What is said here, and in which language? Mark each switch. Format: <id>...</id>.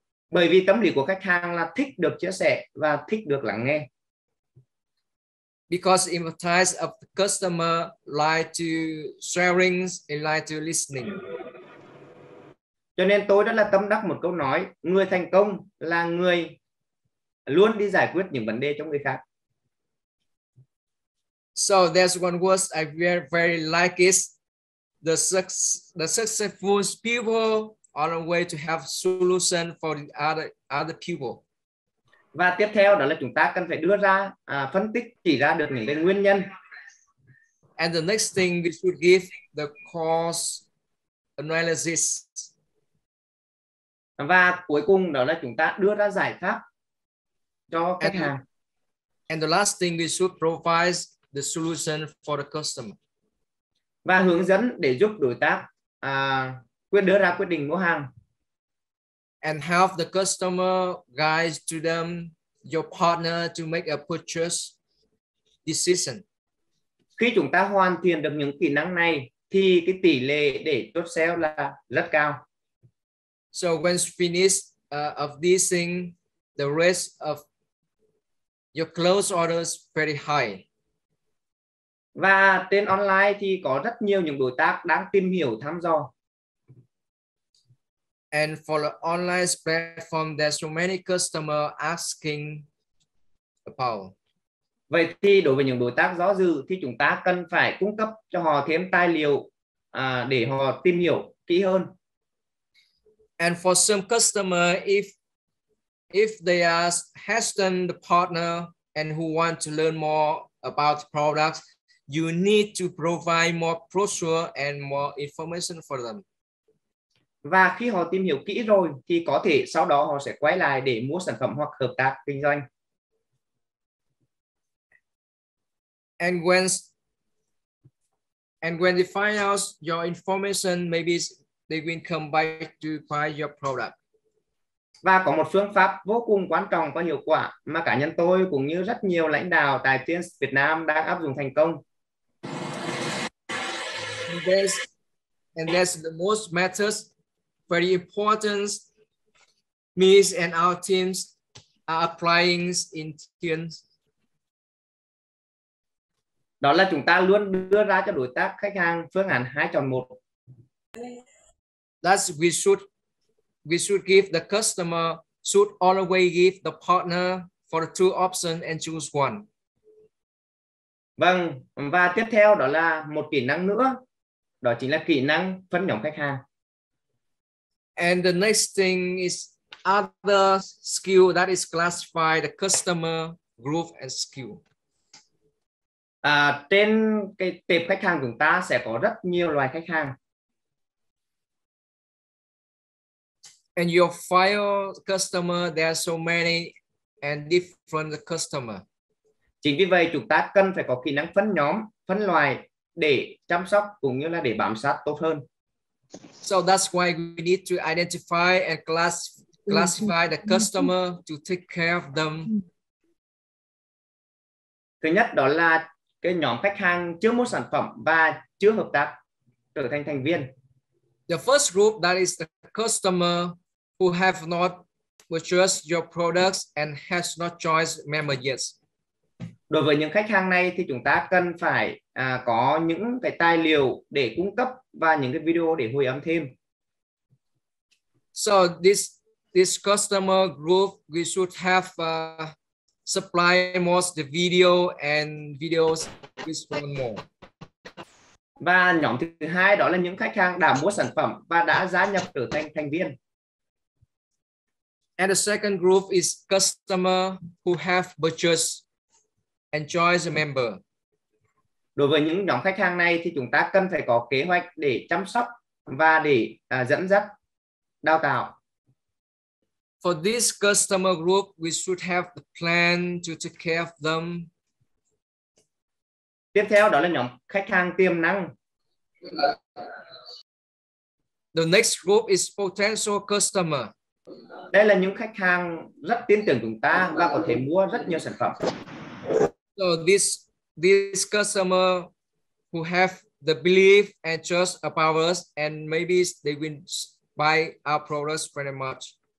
<vi>Bởi vì tâm lý của khách hàng là thích được chia sẻ và thích được lắng nghe.</vi> <en>Because the emphasis of the customer lie to sharing and lie to listening.</en> <vi>Cho nên tôi rất là tâm đắc một câu nói, người thành công là người luôn đi giải quyết những vấn đề cho người khác.</vi> <en>So there's one word I very, very like it. The successful people are a way to have solution for the other people.</en> <vi>Và tiếp theo đó là chúng ta cần phải đưa ra phân tích chỉ ra được những cái nguyên nhân.</vi> <en>And the next thing we should give the cause analysis.</en> <vi>Và cuối cùng đó là chúng ta đưa ra giải pháp cho khách hàng.</vi> <en>And the last thing we should provide the solution for the customer.</en> <vi>Và hướng dẫn để giúp đối tác đưa ra quyết định mua hàng.</vi> <en>And help the customer guide to them, your partner to make a purchase decision.</en> <vi>Khi chúng ta hoàn thiện được những kỹ năng này, thì cái tỷ lệ để chốt sale là rất cao.</vi> <en>So when finished of this thing, the rate of your close orders very high.</en> <vi>Và trên online thì có rất nhiều những đối tác đang tìm hiểu thăm dò.</vi> <en>And for the online platform, there's so many customer asking about.</en> <vi>Vậy thì đối với những đối tác rõ dư thì chúng ta cần phải cung cấp cho họ thêm tài liệu để họ tìm hiểu kỹ hơn.</vi> <en>And for some customer, if they are hesitant the partner and who want to learn more about products, you need to provide more brochure and more information for them.</en> <vi>Và khi họ tìm hiểu kỹ rồi thì có thể sau đó họ sẽ quay lại để mua sản phẩm hoặc hợp tác kinh doanh.</vi> <en>And when they find out your information, maybe they will come back to buy your product.</en> <vi>Và có một phương pháp vô cùng quan trọng và hiệu quả mà cá nhân tôi cũng như rất nhiều lãnh đạo tại Tiên Việt Nam đang áp dụng thành công.</vi> <en>And that's the most matters. Very important, means and our teams are applying in teams.</en> <vi>Đó là chúng ta luôn đưa ra cho đối tác khách hàng phương án 2-1.</vi> <en>That's we should give the customer should always give the partner for the two options and choose one.</en> <vi>Vâng, và tiếp theo đó là một kỹ năng nữa, đó chính là kỹ năng phân nhóm khách hàng.</vi> <en>And the next thing is other skill that is classified the customer group and skill.</en> <vi>Trên cái tệp khách hàng chúng ta sẽ có rất nhiều loại khách hàng.</vi> <en>And your file customer, there are so many and different customer.</en> <vi>Chính vì vậy chúng ta cần phải có kỹ năng phân nhóm, phân loại để chăm sóc cũng như là để bám sát tốt hơn.</vi> <en>So that's why we need to identify and classify the customer to take care of them.</en> <vi>Thứ nhất đó là cái nhóm khách hàng chưa mua sản phẩm và chưa hợp tác trở thành thành viên.</vi> <en>The first group that is the customer who have not purchased your products and has not joined member yet.</en> <vi>Đối với những khách hàng này thì chúng ta cần phải có những cái tài liệu để cung cấp và những cái video để hồi âm thêm.</vi> <en>So this customer group, we should have supply most the video and videos with one more.</en> <vi>Và nhóm thứ hai đó là những khách hàng đã mua sản phẩm và đã gia nhập trở thành thành viên.</vi> <en>And the second group is customer who have purchased and join the member.</en> <vi>Đối với những nhóm khách hàng này thì chúng ta cần phải có kế hoạch để chăm sóc và để dẫn dắt đào tạo.</vi> <en>For this customer group, we should have the plan to take care of them.</en> <vi>Tiếp theo đó là nhóm khách hàng tiềm năng.</vi> <en>The next group is potential customer.</en> <vi>đây là những khách hàng rất tin tưởng chúng ta và có thể mua rất nhiều sản phẩm.</vi> <en>So this customer who have the belief and trust about us and maybe they will buy our products very much.</en>